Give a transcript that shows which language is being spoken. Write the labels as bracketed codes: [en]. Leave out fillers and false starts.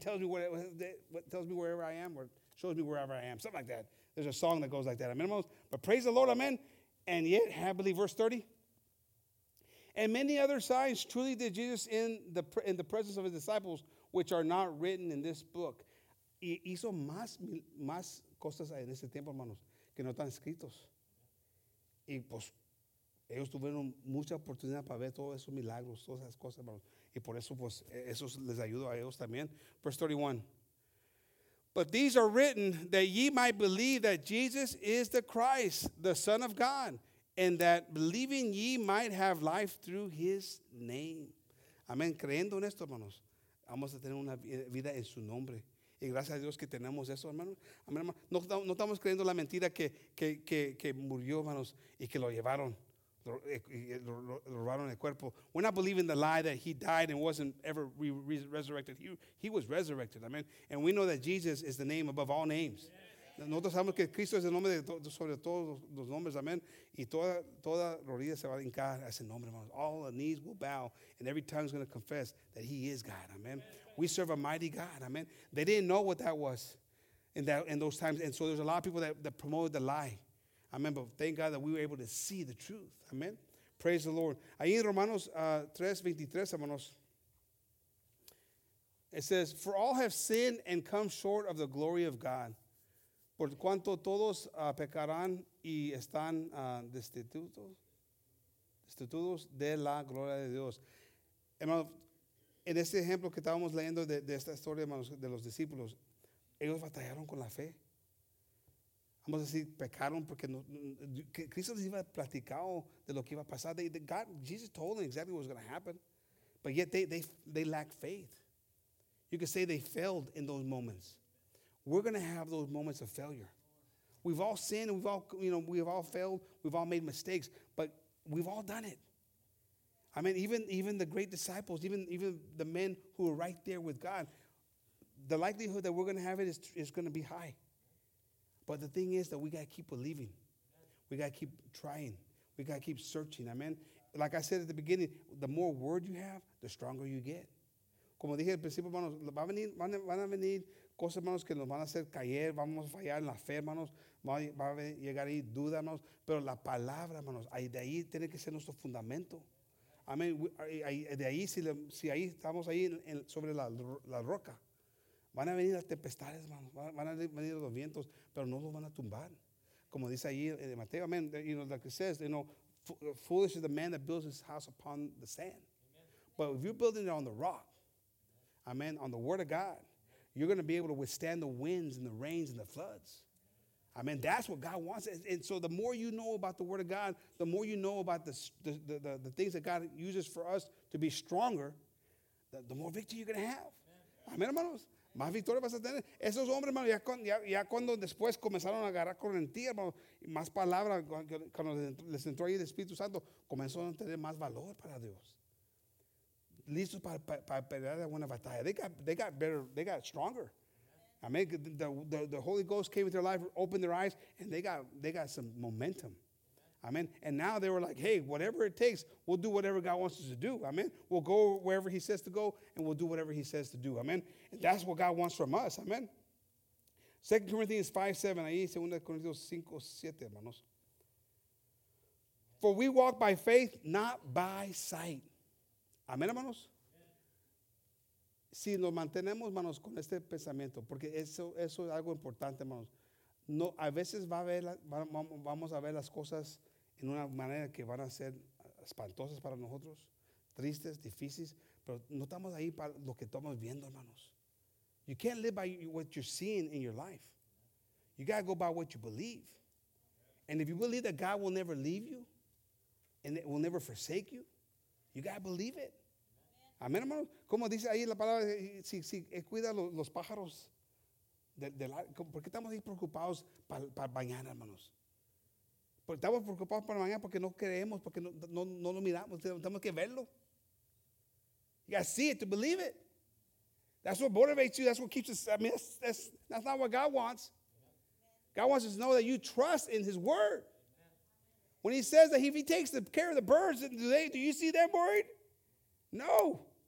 [en] Tells me wherever I am. Something like that. There's a song that goes like that. [es] Amén, hermanos. [en] But praise the Lord. Amén. And yet, happily, verse 30. And many other signs truly did Jesus in the presence of his disciples, which are not written in this book. [es] Y hizo más cosas en ese tiempo, hermanos, que no están escritos. Y pues ellos tuvieron mucha oportunidad para ver todos esos milagros, todas esas cosas, hermanos. Y por eso, pues, eso les ayudó a ellos también. [en] Verse 31. But these are written that ye might believe that Jesus is the Christ, the Son of God. And that believing ye might have life through his name. [es] Amén. Creyendo en esto, hermanos, vamos a tener una vida en su nombre. Y gracias a Dios que tenemos eso, hermanos. Amén, hermanos. No estamos creyendo la mentira que murió, hermanos, y que lo llevaron, lo robaron el cuerpo. [en] We're not believing the lie that he died and wasn't ever resurrected. He was resurrected, amén. And we know that Jesus is the name above all names. Yeah. [es] Nosotros sabemos que Cristo es el nombre sobre todos los nombres, amén. Y toda rodilla se va a hincar a ese nombre, hermanos. [en] All the knees will bow, and every tongue is going to confess that he is God, amén. We serve a mighty God, amén. They didn't know what that was in those times. And so there's a lot of people that promoted the lie, amén. But thank God that we were able to see the truth, amén. Praise the Lord. [es] Ahí en Romanos 3:23, hermanos, [en] it says, for all have sinned and come short of the glory of God. [es] Por cuanto todos pecarán y están destituidos de la gloria de Dios. Hermanos, en este ejemplo que estábamos leyendo de esta historia, hermanos, de los discípulos, ellos batallaron con la fe. Vamos a decir, pecaron porque Cristo les iba platicado de lo que iba a pasar. [en] Jesus told them exactly what was going to happen. But yet they lacked faith. You could say they failed in those moments. We're going to have those moments of failure. We've all sinned. We've all, you know, we've all failed. We've all made mistakes. But we've all done it. I mean, even the great disciples, even the men who are right there with God, the likelihood that we're going to have it is going to be high. But the thing is that we got to keep believing. We got to keep trying. We got to keep searching. Amen. Like I said at the beginning, the more word you have, the stronger you get. [es] Como dije al principio, hermanos, van a venir cosas, hermanos, que nos van a hacer caer, vamos a fallar en la fe, hermanos, va a llegar ahí duda, hermanos, pero la palabra, hermanos, ahí de ahí tiene que ser nuestro fundamento. Amén. De ahí, si ahí estamos ahí sobre la roca, van a venir las tempestades, hermanos, van a venir los vientos, pero no los van a tumbar. Como dice ahí en Mateo, amén, [en] you know, like it says, you know, foolish is the man that builds his house upon the sand. But if you're building it on the rock, amen, on the word of God, you're going to be able to withstand the winds and the rains and the floods. Amen. That's what God wants. And so the more you know about the word of God, the more you know about the things that God uses for us to be stronger, the more victory you're going to have. [es] Amen, hermanos. Más victoria vas a tener. Esos hombres, hermanos, ya cuando después comenzaron a agarrar correntía, hermanos, más palabra, cuando les entró ahí el Espíritu Santo, comenzaron a tener más valor para Dios. Listos para pelear una batalla. [en] They got better. They got stronger. Amen. The Holy Ghost came into their life, opened their eyes, and they got some momentum. Amen. And now they were like, hey, whatever it takes, we'll do whatever God wants us to do. Amen. We'll go wherever he says to go, and we'll do whatever he says to do. Amen. And that's what God wants from us. Amen. 2 Corinthians 5, 7. [es] Ahí, 2 Corinthians 5, 7, hermanos. [en] For we walk by faith, not by sight. [es] Amén, hermanos. Si nos mantenemos, hermanos, con este pensamiento, porque eso es algo importante, hermanos. No, a veces vamos a ver las cosas en una manera que van a ser espantosas para nosotros, tristes, difíciles, pero no estamos ahí para lo que estamos viendo, hermanos. [en] You can't live by what you're seeing in your life. You got to go by what you believe. And if you believe that God will never leave you and it will never forsake you, you got to believe it. [es] Amén, hermanos. Como dice ahí la palabra, si cuida los pájaros. ¿Por qué estamos ahí preocupados para mañana, hermanos? Porque estamos preocupados para mañana porque no creemos, porque no lo miramos, tenemos que verlo. [en] You got to see it to believe it. That's what motivates you. That's what keeps us. I mean, that's not what God wants. God wants us to know that you trust in his word. When he says that if he takes the care of the birds, do you see them worried? No.